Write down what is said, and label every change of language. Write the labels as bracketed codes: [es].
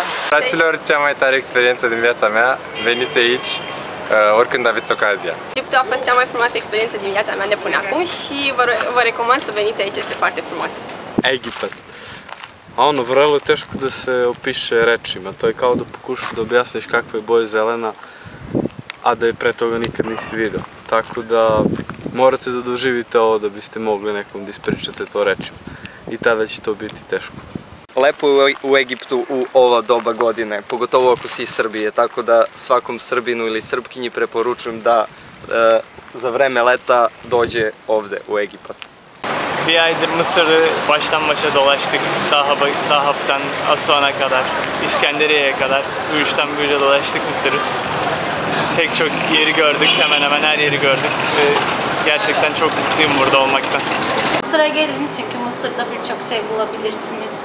[ro] Fraților, cea mai tare experiență din viața mea, veniți aici oricând aveți ocazia. Egiptul a fost cea mai frumoasă experiență din viața mea de până acum și vă recomand să veniți aici, este foarte frumos. Egiptul. [sr] Ono, vrelo je teško da se opiše rečima, to je kao da pokušaš da objasniš kakva je boja zelena, a da je pre toga nikad nisi video. Tako da morate da doživite ovo da biste mogli nekom da ispričate to rečima. I tada će to biti teško. Lepo je u Egiptu u ova doba godine, pogotovo ako si iz Srbije, tako da svakom Srbinu ili Srpkinji preporučujem da za vreme leta dođe ovde u Egipat. [tr] Bir aydır Mısır'ı baştan başa dolaştık. Dahab'tan Asuan'a kadar, İskenderiye'ye kadar, Uyuş'tan böyle dolaştık Mısır'ı. Pek çok yeri gördük, hemen hemen her yeri gördük. Ve gerçekten çok mutluyum burada olmaktan. Mısır'a gelin çünkü Mısır'da birçok şey bulabilirsiniz.